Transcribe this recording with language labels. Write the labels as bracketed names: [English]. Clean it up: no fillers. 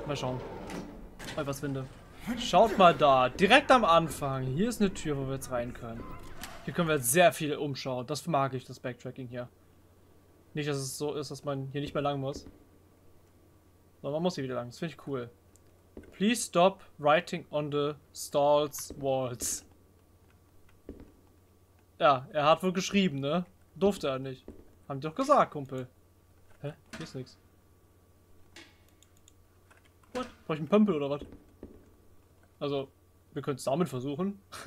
[German] Mal schauen. Ob ich was finde. Schaut mal da. Direkt am Anfang. Hier ist eine Tür, wo wir jetzt rein können. Hier können wir jetzt sehr viel umschauen. Das mag ich, das Backtracking hier. Nicht, dass es so ist, dass man hier nicht mehr lang muss. Sondern man muss hier wieder lang. Das finde ich cool. [English] Please stop writing on the stalls walls. [German] Ja, er hat wohl geschrieben, ne? Durfte er nicht. Haben die doch gesagt, Kumpel. Hä? Hier ist nichts. What? Brauche ich einen Pömpel oder was? Also, wir können es damit versuchen.